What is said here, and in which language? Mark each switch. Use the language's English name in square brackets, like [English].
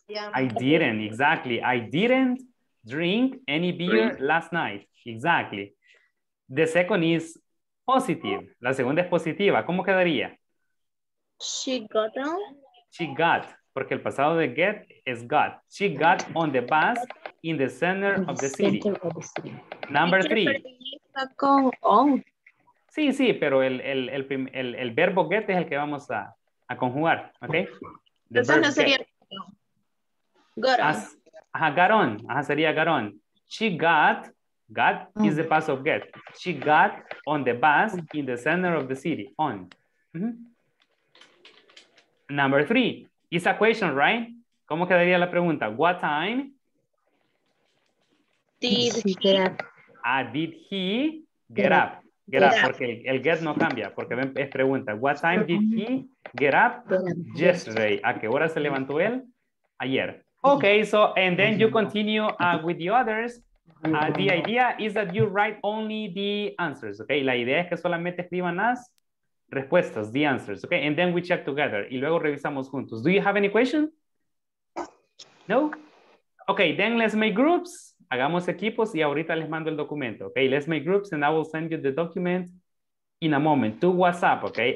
[English] Yeah. I didn't, exactly. I didn't drink any beer last night. Exactly. The second is positive. [Spanish] La segunda es positiva. ¿Cómo quedaría? She got on. [English] She got, [Spanish] porque el pasado de [English] get is got. She got on the bus in the center of the city. Number three. [Spanish] Con on. Sí, sí, pero el verbo get es el que vamos a conjugar, okay? The entonces no sería [English] get. Got on. Ajá, got on. Sería got on. She got oh. Is the past of get. She got on the bus in the center of the city. On. Mm-hmm. Number three. It's a question, right? [Spanish] ¿Cómo quedaría la pregunta? [English] What time? Did he get up? Did he get up? Get up. [Spanish] Porque el get no cambia. Porque es pregunta. [English] What time did he get up yesterday? [Spanish] ¿A qué hora se levantó él? Ayer. [English] Okay, so, and then you continue with the others. The idea is that you write only the answers, okay? [Spanish] La idea es que solamente escriban las respuestas, [English] the answers, [Spanish] okay? [English] And then we check together. [Spanish] Y luego revisamos juntos. [English] Do you have any question? No? Okay, then let's make groups. [Spanish] Hagamos equipos y ahorita les mando el documento, okay? [English] Let's make groups and I will send you the document in a moment to WhatsApp, okay?